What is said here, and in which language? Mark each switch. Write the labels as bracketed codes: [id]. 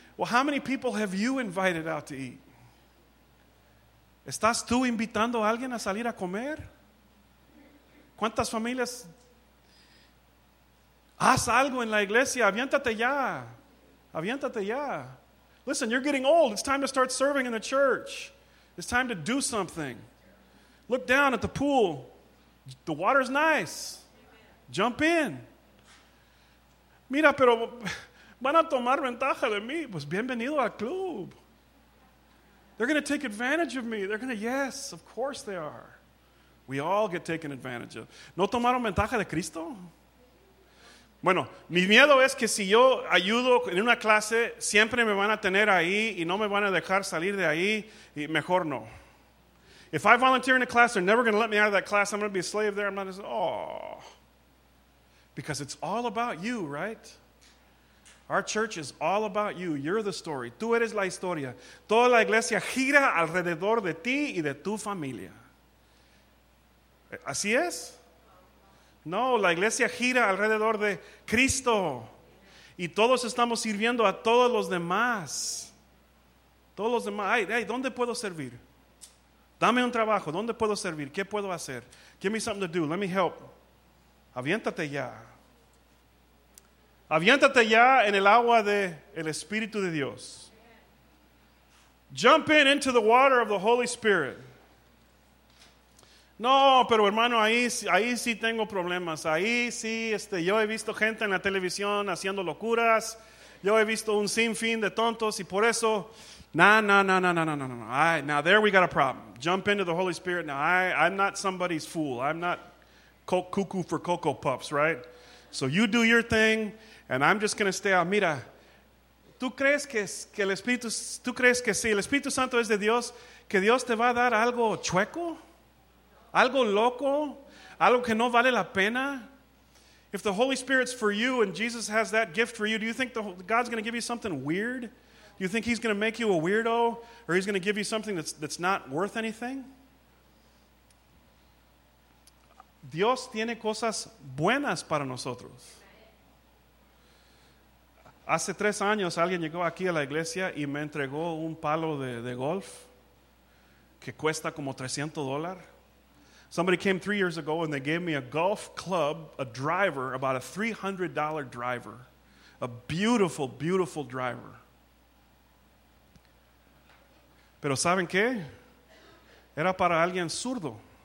[en] Well, how many people have you invited out to eat? [es] ¿Estás tú invitando a alguien a salir a comer? ¿Cuántas familias? Haz algo en la iglesia. Aviéntate ya. Aviéntate ya. [en] Listen, you're getting old. It's time to start serving in the church. It's time to do something. Look down at the pool. The water's nice. Jump in. [es] Mira, pero van a tomar ventaja de mí. Pues bienvenido al club. [en] They're going to take advantage of me. They're going to, yes, of course they are. We all get taken advantage of. [es] ¿No tomaron ventaja de Cristo? Bueno, mi miedo es que si yo ayudo en una clase, siempre me van a tener ahí y no me van a dejar salir de ahí, y mejor no. [en] If I volunteer in a class, they're never going to let me out of that class. I'm going to be a slave there. I'm going to say, oh. Because it's all about you, right? Our church is all about you. You're the story. [es] Tú eres la historia. Toda la iglesia gira alrededor de ti y de tu familia. ¿Así es? No, la iglesia gira alrededor de Cristo. Y todos estamos sirviendo a todos los demás. Todos los demás. Hey, ¿dónde puedo servir? Dame un trabajo. ¿Dónde puedo servir? ¿Qué puedo hacer? [en] Give me something to do. Let me help. [es] Aviéntate ya. Aviéntate ya en el agua del Espíritu de Dios. [en] Jump in into the water of the Holy Spirit. [es] No, pero hermano, ahí sí tengo problemas. Ahí sí, yo he visto gente en la televisión haciendo locuras. Yo he visto un sinfín de tontos y por eso, no. [en] Now there we got a problem. Jump into the Holy Spirit. Now I'm not somebody's fool. I'm not cuckoo for Cocoa Puffs, right? So you do your thing, and I'm just going to stay out. [es] Mira, ¿tú crees que sí? ¿El Espíritu Santo es de Dios? ¿Que Dios te va a dar algo chueco? ¿Algo loco? ¿Algo que no vale la pena? [en] If the Holy Spirit's for you and Jesus has that gift for you, do you think God's going to give you something weird? Do you think he's going to make you a weirdo? Or he's going to give you something that's not worth anything? [es] Dios tiene cosas buenas para nosotros. Hace 3 años alguien llegó aquí a la iglesia y me entregó un palo de golf que cuesta como $300. [en] Somebody came 3 years ago and they gave me a golf club, a driver, about a $300 driver. A beautiful, beautiful driver. [es] Pero ¿saben qué? Era para alguien zurdo.